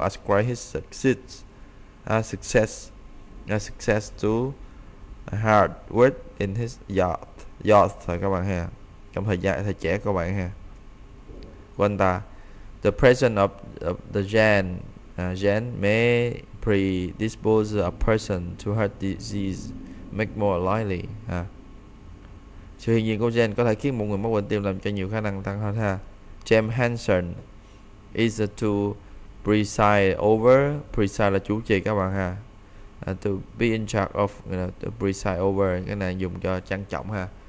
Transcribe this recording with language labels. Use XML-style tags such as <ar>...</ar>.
<en>Ascribe his success. Success to hard work in his youth.</en> <vi>Youth thôi các bạn ha. Trong thời gian thời trẻ các bạn ha. Của anh ta.</vi> <en>The presence of the gen may predispose a person to heart disease, make more likely.</en> <vi>Sự hiện diện của gen có thể khiến một người mắc bệnh tim làm cho nhiều khả năng tăng hơn ha.</vi> <en>James Hansen is to preside over.</en> <vi>Preside là chủ trì các bạn ha.</vi> <en>To be in charge of, to preside over,</en> <vi>cái này dùng cho trang trọng ha.</vi>